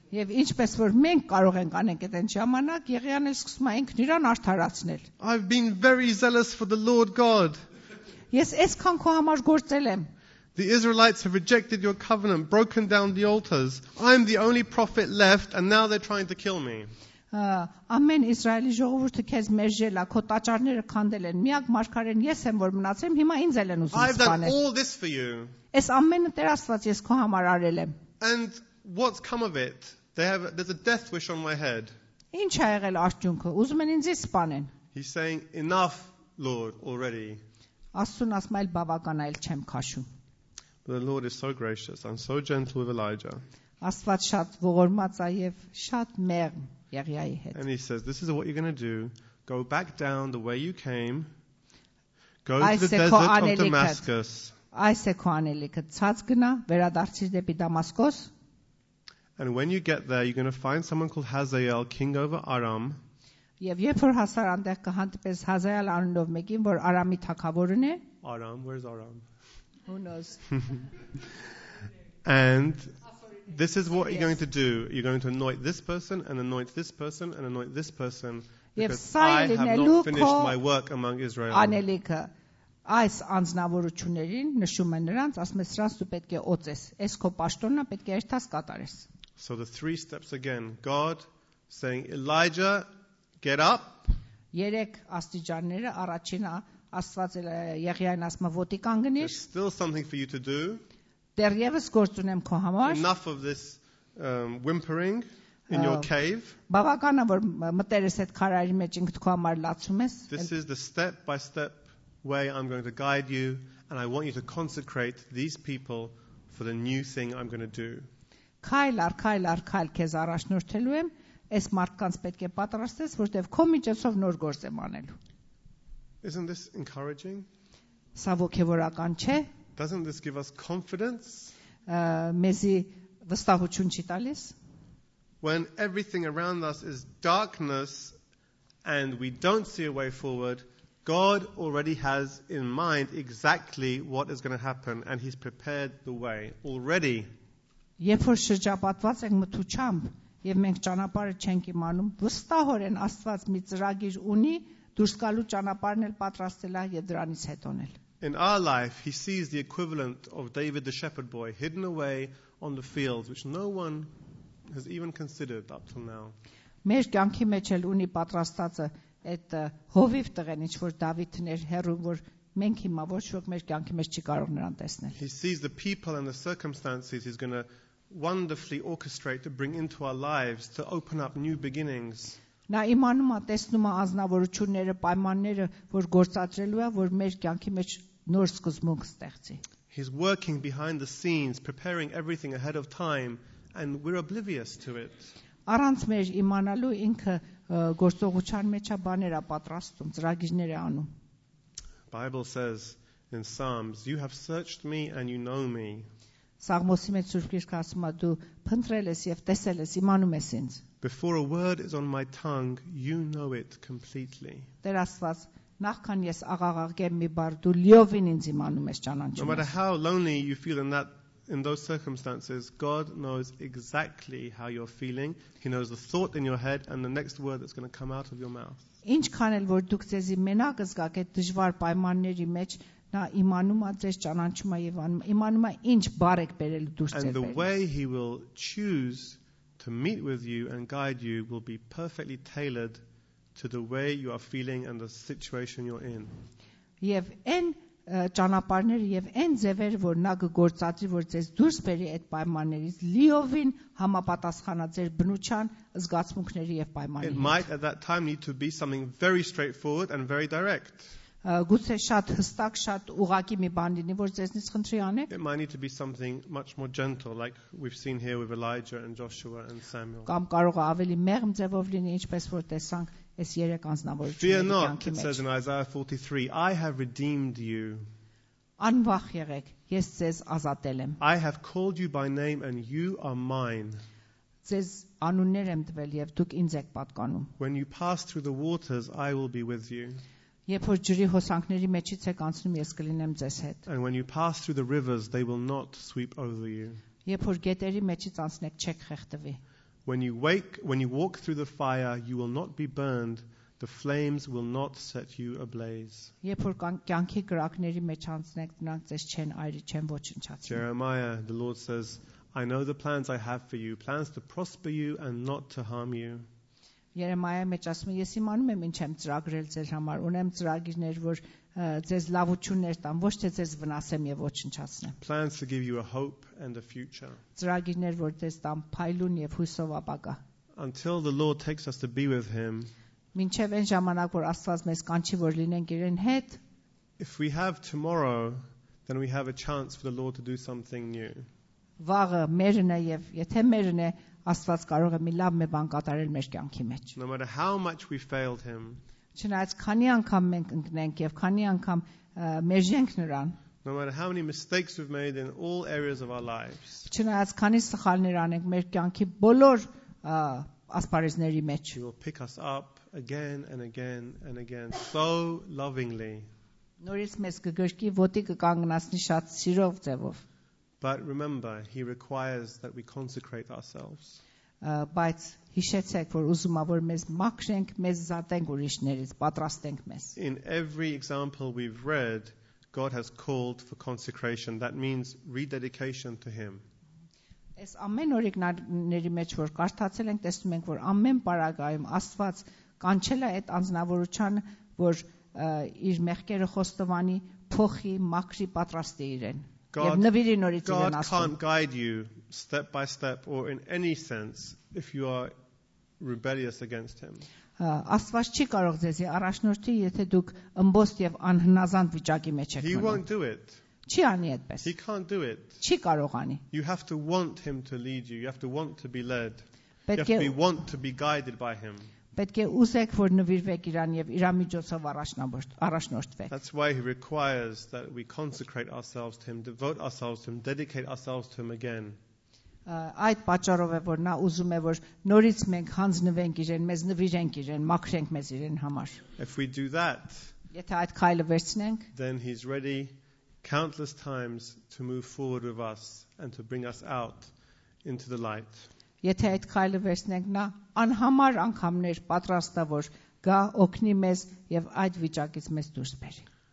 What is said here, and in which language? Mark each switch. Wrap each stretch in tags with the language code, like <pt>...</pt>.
<en>"I've been very zealous for the Lord God. The Israelites have rejected your covenant, broken down the altars. I'm the only prophet left, and now they're trying to kill me." Amen.</en> <hy>Israeli ժողովուրդը քեզ մերժել է, քո տաճարները քանդել են, միակ մարգարեն ես եմ, որ մնացեմ, հիմա ինձ էլ են ուզում սպանել.</hy> <en>I've done all this for you.</en> <hy>Ես ամենը Տեր Աստված ես քո համար արել եմ.</hy> <en>And what's come of it? There's a death wish on my head.</en> <hy>Ինչ ա եղել արդյունքը, ուզում են ինձ սպանեն.</hy> <en>He's saying, "Enough, Lord, already."</en> <hy>Աստուն ասում է, «Այլ բավական է, այլ չեմ քաշում»։</hy> <en>But the Lord is so gracious and so gentle with Elijah.</en> <hy>Աստված շատ ողորմած է եւ շատ մեղմ Եղիայի հետ.</hy> <en>And he says, "This is what you're going to do. Go back down the way you came. Go to the desert of Damascus. And when you get there, you're going to find someone called Hazael, king over Aram.</en> <hy>Եվ երբ որ հասար անտեղ կհանդիպես Հազայել անունով մեկին, որ Արամի թագավորն է։</hy> <en>Aram, where is Aram? Who knows? And this is what you're going to do. You're going to anoint this person and anoint this person and anoint this person because I have not finished my work among Israel.</en> <hy>Անելիկը այս անձնավորություններին նշում են նրանց, ասում են սրանց դու պետք է օծես, այս քո պաշտոնը պետք է հերթաս կատարես.</hy> <en>So the three steps again. God saying, "Elijah, get up."</en> <hy>Երեք աստիճանները, առաջինը Աստված Եղիային ասում է, «Ոտի կանգնիր»։</hy> <en>There's still something for you to do.</en> <hy>Դեռևս գործ ունեմ քո համար։</hy> <en>Enough of this whimpering in your cave.</en> <hy>Բավական է, որ մտերես այդ քարայրի մեջ ինքդ քո համար լացում ես։</hy> <en>This is the step by step way I'm going to guide you, and I want you to consecrate these people for the new thing I'm going to do.</en> <hy>Քայլ առ քայլ առ քայլ քեզ առաջնորդելու եմ, այս մարդկանց պետք է պատրաստես, որտեղ քո միջոցով նոր գործ եմ անելու.</hy> <en>Isn't this encouraging?</en> <hy>Սա ոգևորական չէ?</hy> <en>Doesn't this give us confidence?</en> <hy>Մեզի վստահություն չի տալիս?</hy> <en>When everything around us is darkness and we don't see a way forward, God already has in mind exactly what is going to happen and he's prepared the way already.</en> <hy>Երբ որ շրջապատված ենք մթությամբ եւ մենք ճանապարհը չենք իմանում, վստահորեն Աստված մի ծրագիր ունի դուրս գալու ճանապարհն էլ պատրաստել է եւ դրանից հետոն էլ.</hy> <en>In our life he sees the equivalent of David the shepherd boy hidden away on the fields which no one has even considered up till now.</en> <hy>Մեր կյանքի մեջ էլ ունի պատրաստածը այդ հովիվ տղեն, ինչ որ Դավիթն էր հերո, որ մենք հիմա ոչ ոք մեր կյանքի մեջ չի կարող նրան տեսնել.</hy> <en>He sees the people and the circumstances he's going to wonderfully orchestrate to bring into our lives to open up new beginnings.</en> <hy>Նա իմանում է, տեսնում է ազնվորությունները, պայմանները, որ գործածելու է, որ մեր կյանքի մեջ նոր սկզբունք ստեղծի.</hy> <en>He's working behind the scenes, preparing everything ahead of time, and we're oblivious to it.</en> <hy>Առանց մեր իմանալու ինքը գործողության մեջ է բաներ պատրաստում, ծրագիրներ է անում.</hy> <en>Bible says in Psalms, you have searched me and you know me.</en> <hy>Սաղմոսի մեջ Սուրբ Գիրքը ասում է, դու փնտրել ես եւ տեսել ես, իմանում ես ինձ.</hy> <en>Before a word is on my tongue, you know it completely.</en> <hy>Տեր Աստված, նախքան ես աղաղակեմ մի բառ, դու լիովին ինձ իմանում ես, ճանաչում ես.</hy> <en>No matter how lonely you feel in that In those circumstances, God knows exactly how you're feeling. He knows the thought in your head and the next word that's going to come out of your mouth.</en> <hy>Ինչքան էլ որ դուք ձեզի մենակ զգաք այդ դժվար պայմանների մեջ, նա իմանում է ձեզ, ճանաչում է եւ իմանում է ինչ բար եք բերել դուք ձեզ։</hy> <en>And the way he will choose to meet with you and guide you will be perfectly tailored to the way you are feeling and the situation you're in.</en> <hy>Եվ այն ճանապարհները եւ այն ձևեր, որ նա կգործածի, որ ձեզ դուրս բերի այդ պայմաններից, լիովին համապատասխանա ձեր բնության, զգացմունքների եւ պայմանների։</hy> <en>It might at that time need to be something very straightforward and very direct.</en> <hy>Գուցե շատ հստակ, շատ ուղղակի մի բան լինի, որ ձեզնից խնդրի անեք։</hy> <en>It might need to be something much more gentle, like we've seen here with Elijah and Joshua and Samuel.</en> <hy>Կամ կարող է ավելի մեղմ ձևով լինի, ինչպես որ տեսանք այս երեք անձնավորությունների կյանքի մեջ.</hy> <en>Fear not, it says in Isaiah 43, I have redeemed you.</en> <hy>Անվախ եղեք, ես ձեզ ազատել եմ.</hy> <en>I have called you by name and you are mine.</en> <hy>Ձեզ անուններ եմ տվել եւ դուք ինձ եք պատկանում.</hy> <en>When you pass through the waters, I will be with you.</en> <hy>Երբ որ ջրի հոսանքների մեջից եք անցնում, ես կլինեմ ձեզ հետ։</hy> <en>And when you pass through the rivers, they will not sweep over you.</en> <hy>Երբ որ գետերի մեջից անցնեք, չեք խեղդվի։</hy> <en>When you walk through the fire, you will not be burned. The flames will not set you ablaze.</en> <hy>Երբ որ կյանքի գրակների մեջ անցնեք, նրանք ձեզ չեն այրի, չեն ոչնչացնի։</hy> <en>Jeremiah, the Lord says, I know the plans I have for you, plans to prosper you and not to harm you.</en> <hy>Երեմայա մեջ ասում է, ես իմանում եմ ինչ եմ ծրագրել ձեր համար, ունեմ ծրագիրներ, որ ձեզ լավություններ տամ, ոչ թե ձեզ վնասեմ եւ ոչնչացնեմ։</hy> <en>Plans to give you a hope and a future.</en> <hy>Ծրագիրներ, որ ձեզ տամ փայլուն եւ հույսով ապագա։</hy> <en>Until the Lord takes us to be with him.</en> <hy>Մինչև այն ժամանակ, որ Աստված մեզ կանչի, որ լինենք իրեն հետ։</hy> <en>If we have tomorrow, then we have a chance for the Lord to do something new.</en> <hy>Վաղը մերն է եւ եթե մերն է, Աստված կարող է մի լավ մի բան կատարել մեր կյանքի մեջ։</hy> <en>No matter how much we failed him.</en> <hy>Չնայած քանի անգամ մենք ընկնենք եւ քանի անգամ մերժենք նրան.</hy> <en>No matter how many mistakes we've made in all areas of our lives.</en> <hy>Չնայած քանի սխալներ անենք մեր կյանքի բոլոր ասպարեզների մեջ.</hy> <en>He will pick us up again and again and again so lovingly.</en> <hy>Նորից մեզ կգրկի, ոտի կկանգնացնի շատ սիրով ձևով.</hy> <en>But remember, he requires that we consecrate ourselves.</en> <hy>Բայց հիշեցեք, որ ուզում է, որ մեզ մաքրենք, մեզ զատենք ուրիշներից, պատրաստենք մեզ։</hy> <en>In every example we've read, God has called for consecration. That means rededication to him.</en> <hy>Այս ամեն օրինակների մեջ, որ կարդացել ենք, տեսնում ենք, որ ամեն պարագայում Աստված կանչել է այդ անձնավորության, որ իր մեղքերը խոստովանի, փոխի, մաքրի, պատրաստի իրեն։</hy> <en>God can't guide you step by step or in any sense if you are rebellious against him.</en> <hy>Աստված չի կարող ձեզի առաջնորդի, եթե դուք ըմբոստ եւ անհնազանդ վիճակի մեջ եք մնում։</hy> <en>He won't do it.</en> <hy>չի անի այդպես.</hy> <en>He can't do it.</en> <hy>Չի կարողանի.</hy> <en>You have to want him to lead you. You have to want to be led. You have to want to be guided by him.</en> <hy>Պետք է ուզեք, որ նվիրվեք իրան եւ իրա միջոցով առաջնորդվեք.</hy> <en>That's why he requires that we consecrate ourselves to him, devote ourselves to him, dedicate ourselves to him again.</en> <hy>Այդ պատճառով է, որ նա ուզում է, որ նորից մենք հանձնվենք իրեն, մեզ նվիրենք իրեն, մաքրենք մեզ իրեն համար.</hy> <en>If we do that,</en> <hy>եթե այդ քայլը վերցնենք,</hy> <en>then he's ready countless times to move forward with us and to bring us out into the light.</en> <hy>Եթե այդ քայլը վերցնենք, նա անհամար անգամներ պատրաստ է, որ գա օգնի մեզ եւ այդ վիճակից մեզ դուրս բերի.</hy>